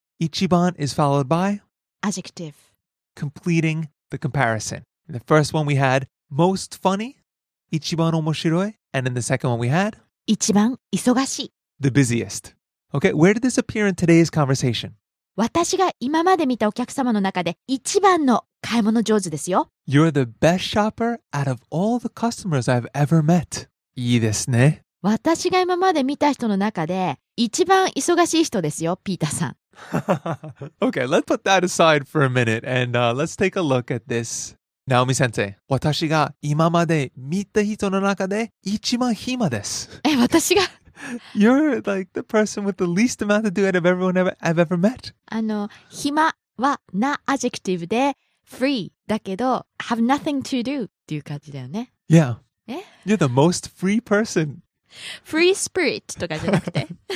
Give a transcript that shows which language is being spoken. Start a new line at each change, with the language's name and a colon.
English: 一番 is followed by adjective, completing the comparison. In the first one we had most funny,
Japanese: 一番面白い,
English: and in the second one we had
Japanese: 一番忙しい,
English: the busiest. Okay, where did this appear in today's conversation?
Japanese: 私が今まで見たお客様の中で一番の買い物上手ですよ。
English: You're the best shopper out of all the customers I've ever met.
Japanese: いいですね。私が今まで見た人の中で一番忙しい人ですよ、ピーターさん。
English: Okay, let's put that aside for a minute and let's take a look at this.
Japanese: Naomi 先生、私が今まで見た人の中で一番暇です。え、私が。
English: You're like the person with the least amount to do out of everyone I've ever met.
Japanese: あの、暇はな adjective で free だけど
English: have nothing to do
Japanese: っていう感じだよね。
English: Yeah.
Japanese: え?
English: You're the most free person.
Japanese: Free spirit とかじゃなくて